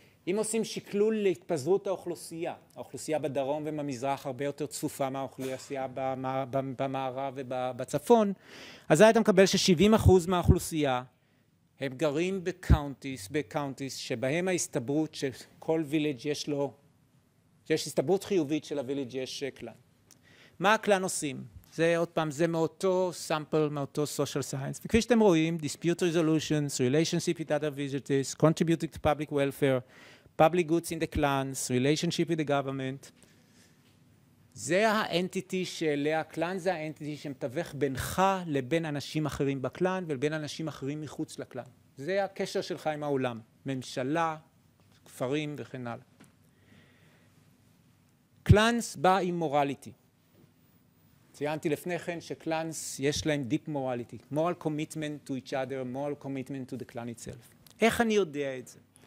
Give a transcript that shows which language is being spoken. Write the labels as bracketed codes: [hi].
[he] אם עושים שקלול להתפזרות האוכלוסייה בדרום ובמזרח הרבה יותר צפופה מהאוכלוסייה במערב ובצפון, אז היית מקבל ש-70% מהאוכלוסייה הם גרים בקאונטיס שבהם ההסתברות שכל וילג' יש הסתברות חיובית של הוילג' יש קלן. מה הקלן עושים? זה עוד פעם, זה מאותו סאמפל, מאותו סושיאל סיינס. וכפי שאתם רואים, [en] dispute resolutions, relationship with other visitors, contributing to public welfare, public goods in the clans, relationship with the government. [he] זה האנטיטי שאליה, הקלן זה האנטיטי שמתווך בינך לבין אנשים אחרים בקלן ולבין אנשים אחרים מחוץ לקלן. זה הקשר שלך עם העולם, ממשלה, כפרים וכן הלאה. קלאנס בא עם מורליטי. ציינתי לפני כן שקלאנס יש להם [en] deep morality, moral commitment to each other, moral commitment to the clan itself. [he] איך אני יודע את זה?